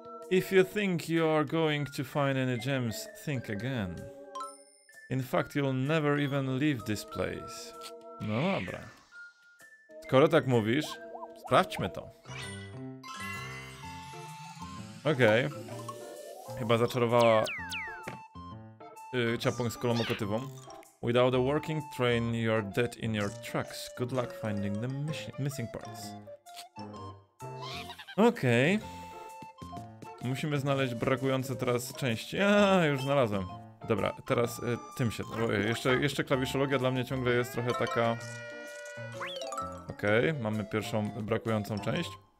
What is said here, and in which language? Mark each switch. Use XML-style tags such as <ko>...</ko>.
<en>If you think you are going to find any gems, think again. In fact, you'll never even leave this place.</en> <pl>No dobra. Skoro tak mówisz, sprawdźmy to. Okej. Okay. Chyba zaczarowała... ciapunk z kolomokotywą.</pl> <en>Without a working train, you're dead in your tracks. Good luck finding the missing parts.</en> <pl>Okej. Okay. Musimy znaleźć brakujące teraz części. A, już znalazłem. Dobra, teraz tym się... Jeszcze klawiszologia dla mnie ciągle jest trochę taka... Okej, okay, mamy pierwszą brakującą część.</pl>